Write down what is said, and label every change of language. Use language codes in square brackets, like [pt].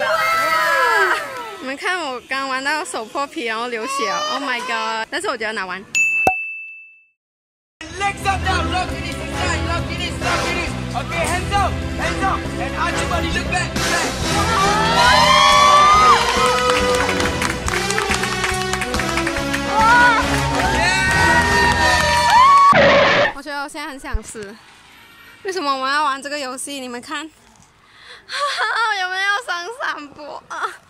[zh] Wow. 你们看我刚玩到手破皮，然后流血。 Wow. Oh my god. 但是我觉得难玩。 [en] Legs up now, lock it in, lock it in, lock it in. Okay, hands up, hands up. And arch your body, look back, look back. [zh] Wow. Wow. Yeah. 我觉得我现在很想吃。为什么我们要玩这个游戏？你们看，有没有上三波啊？